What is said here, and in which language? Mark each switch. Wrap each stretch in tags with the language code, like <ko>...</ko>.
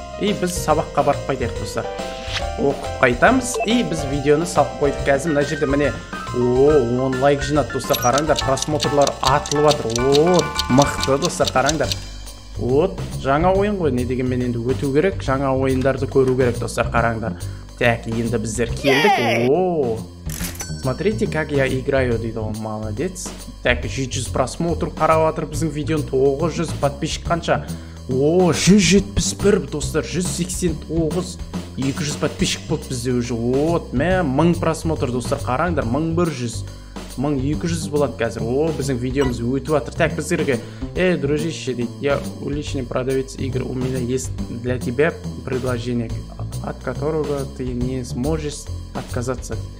<kk>Біз сабаққа барып қайтайық, достар. Оқып қайтамыз. Біз видеоны салып қойдық. Қазір мына жерде міне 10 лайк жинады, достар, қараңдар, просмотрлар атылып жатыр. Оо, мықты, достар, қараңдар. Вот, жаңа ойын ғой, не деген мен енді өту керек, жаңа ойындарды көру керек, достар, қараңдар. Так, енді біздер келдік. Оо.</kk> <ru>Смотрите, как я играю,</ru> <kk>дейді ол,</kk> <ru>молодец.</ru> <kk>Так, 700 просмотр қарап жатыр біздің видеоны, 900 подписчик қанша? Оо, 171, достар, 189. 200 подписчик болды бізде уже. Вот, мә, 1000 просмотр, достар, қараңдар, 1100. 1200 болады қазір. О, біздің видеомыз өтіп жатыр.</kk> <ru>Так, біздерге, эй, дружище,</ru> <kk>дейді,</kk> <ru>я уличный продавец игр, у меня есть для тебя предложение, от которого ты не сможешь отказаться.</ru>